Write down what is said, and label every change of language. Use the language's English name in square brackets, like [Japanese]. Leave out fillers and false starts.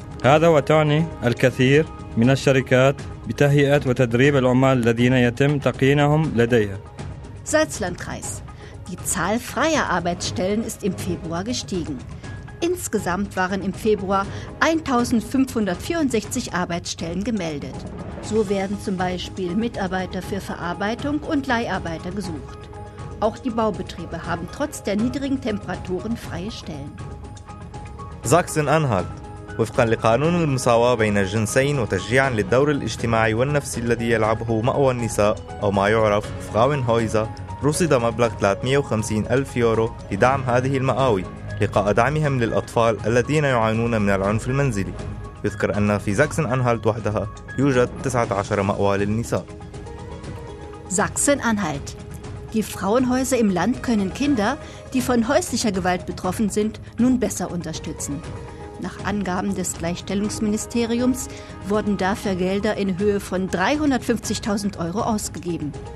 [Arabic] هذا وتعني الكثير من الشركات بتهيئة وتدريب العمال الذين يتم تقييمهم لديها. زالتس لاند كرايز. [German] Die Zahl freier Arbeitsstellen ist im Februar gestiegen. Insgesamt waren im Februar 1.564 Arbeitsstellen gemeldet. So werden zum Beispiel Mitarbeiter für Verarbeitung und Leiharbeiter gesucht. Auch die Baubetriebe haben trotz der niedrigen Temperaturen freie Stellen. Sachsen-Anhalt. [Arabic] وفقاً لقانون المساواة بين الجنسين وتشجيعاً للدور الاجتماعي والنفسي الذي يلعبه مأوى النساء أو ما يعرف فراون هويزا، رصد مبلغ 350 ألف يورو لدعم هذه المآوي لقاء دعمهم للأطفال الذين يعانون من العنف المنزلي. يذكر أن في ساكسن أنهالت وحدها يوجد 19 مأوى للنساء. ساكسن أنهالت. [German] Die Frauenhäuser im Land können Kinder, die von häuslicher Gewalt betroffen sind, nun besser unterstützen. Nach Angaben des Gleichstellungsministeriums wurden dafür Gelder in Höhe von 350.000 Euro ausgegeben.